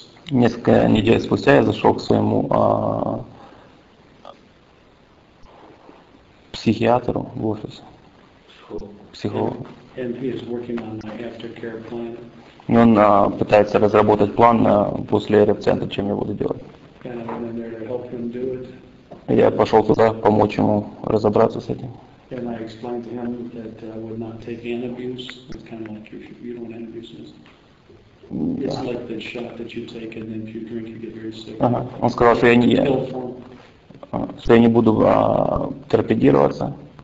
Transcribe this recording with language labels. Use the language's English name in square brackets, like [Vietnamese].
[Russian] Несколько недель спустя я зашел к своему психиатру в офис. Психологу. [English] And he is working on my aftercare plan. [Russian] И он пытается разработать план после реабцентра, чем я буду делать. [English] And I'm there to help him do it. [Russian] Я пошел туда помочь ему разобраться с этим. [English] And I explained to him that I would not take an abuse. It's kind of like you don't want abuses. Yeah. It's like the shot that you take and then if you drink you get very sick. [Russian] Ага. Он сказал, что я не буду торпедироваться.